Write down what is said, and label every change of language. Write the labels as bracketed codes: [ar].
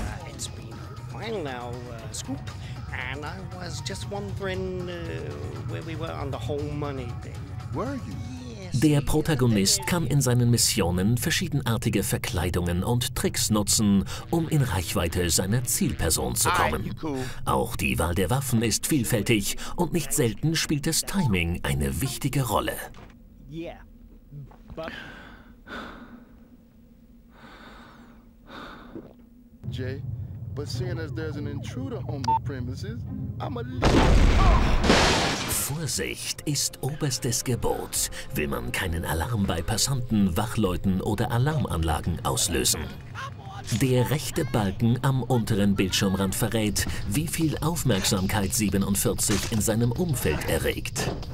[en] It's been a while now, Scoop, and I was just wondering where we were on the whole money thing. Where are you? [de] Der Protagonist kann in seinen Missionen verschiedenartige Verkleidungen und Tricks nutzen, um in Reichweite seiner Zielperson zu kommen. Auch die Wahl der Waffen ist vielfältig und nicht selten spielt das Timing eine wichtige Rolle. [en] Jay, but seeing as there's an intruder on the premises, I'm a [de] Vorsicht ist oberstes Gebot, will man keinen Alarm bei Passanten, Wachleuten oder Alarmanlagen auslösen. Der rechte Balken am unteren Bildschirmrand verrät, wie viel Aufmerksamkeit 47 in seinem Umfeld erregt.